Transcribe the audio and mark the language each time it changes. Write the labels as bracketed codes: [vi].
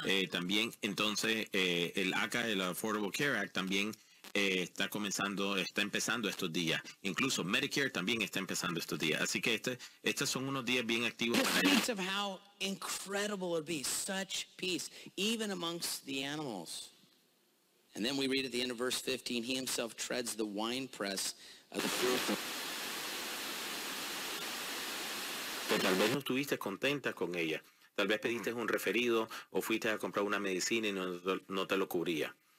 [es] También, entonces, el ACA, el Affordable Care Act, también está empezando estos días. Incluso Medicare también está empezando estos días. Así que estos son unos días bien activos. [en] It speaks of how incredible it would be, such peace, even amongst the animals. And then we read at the end of verse 15, he himself treads the winepress of the fruit. [es] Tal vez no estuviste contenta con ella. Tal vez pediste un referido o fuiste a comprar una medicina y no te lo cubría.